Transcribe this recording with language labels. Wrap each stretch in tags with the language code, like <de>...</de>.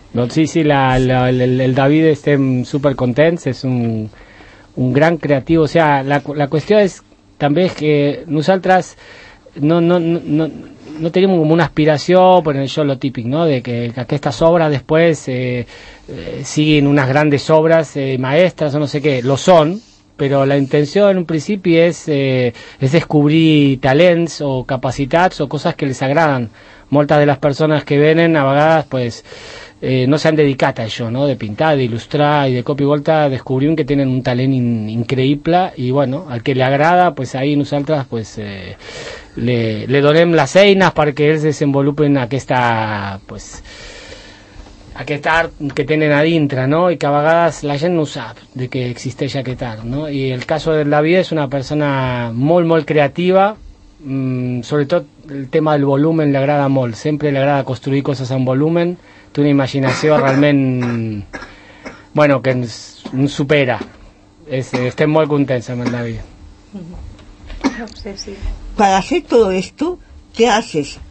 <es>Sí, el David está súper contento, es un gran creativo. O sea, la cuestión es también es que nosotras no tenemos como una aspiración, por eso lo típico, ¿no? De que estas obras después siguen unas grandes obras maestras o no sé qué, lo son.</es> <ca>Però la intenció en un principi és descobrir talents o capacitats o coses que les agraden. Moltes de les persones que venen a vegades pues, no s'han dedicat a això, no? De pintar, d'il·lustrar i de cop i volta descobrim que tenen un talent increïble i bueno, al que li agrada, pues, ahí nosaltres pues, le donem les eines perquè ells desenvolupen aquesta... Pues, aquest art que tenen a dintre, no? I que a vegades la gent no sap de que existeix aquest art, no? I el cas del David és una persona molt, molt creativa, sobretot el tema del volumen li agrada molt, sempre li agrada construir coses amb volumen, té una imaginació realment, bueno, que ens supera. Estem molt contents amb el David.</ca> <es>Para hacer todo esto, ¿qué haces?</es>